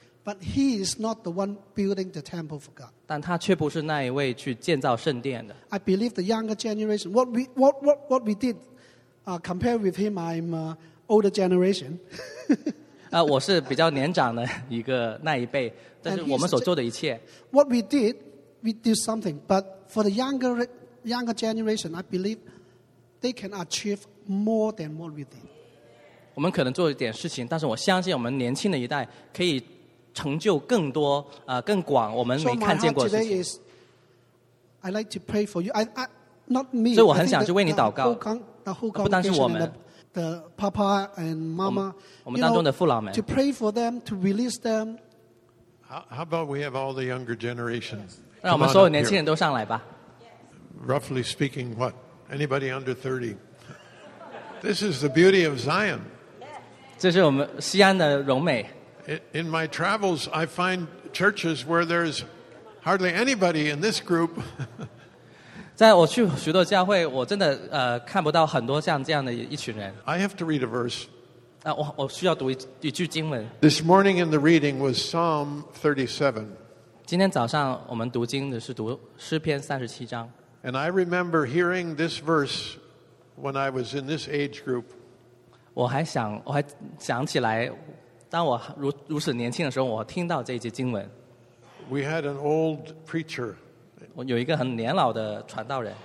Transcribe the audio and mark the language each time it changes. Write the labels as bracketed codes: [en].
[en] But he is not the one building the temple for God. [zh] 但他却不是那一位去建造圣殿的。 [en] I believe the younger generation, what we did, compared with him, I'm older generation. [zh] 我是比较年长的一个那一辈，但是我们所做的一切。 [en] What we did something, but for the younger generation, I believe they can achieve more than what we did. [zh] 我们可能做一点事情，但是我相信我们年轻的一代可以 成就更多，更广，我们没看见过的事情。 [en] So my heart today is, I'd like to pray for you. I not me. [zh] 所以我很想就为你祷告，不单是我们的 [en] Papa and Mama. [zh] 我们当中的父老们。 [en] To pray for them, to release them. How about we have all the younger generation? [zh] 让我们所有年轻人都上来吧。 [en] Roughly speaking, what? Anybody under 30? This is the beauty of Zion. [zh] 这是我们西安的荣美。 [en] In my travels, I find churches where there's hardly anybody in this group. [zh] 在我去许多教会，我真的看不到很多像这样的一群人。 [en] I have to read a verse. [zh] 我需要读一句经文。 [en] This morning in the reading was Psalm 37. [zh] 今天早上我们读经的是读诗篇37章。 [en] And I remember hearing this verse when I was in this age group. [zh] 我还想起来。当我如此年轻的时候，我听到这一节经文。 [en] We had an old preacher. [zh] 有一个很年老的传道人。